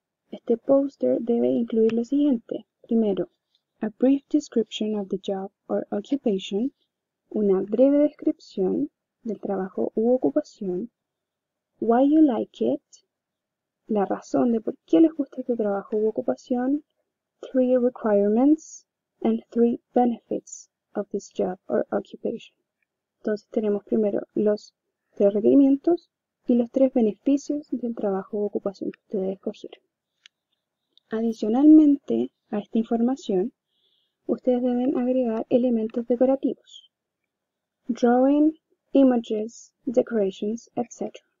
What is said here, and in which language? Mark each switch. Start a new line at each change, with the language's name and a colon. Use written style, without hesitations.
Spanish: Este póster debe incluir lo siguiente: primero,
English: a brief description of the job or occupation.
Spanish: Una breve descripción del trabajo u ocupación.
English: Why you like it.
Spanish: La razón de por qué les gusta este trabajo u ocupación.
English: Three requirements. and three benefits of this job or occupation.
Spanish: Entonces tenemos primero los tres requerimientos y los tres beneficios del trabajo o ocupación que usted debe escoger. Adicionalmente a esta información, ustedes deben agregar elementos decorativos.
English: Drawing, images, decorations, etc.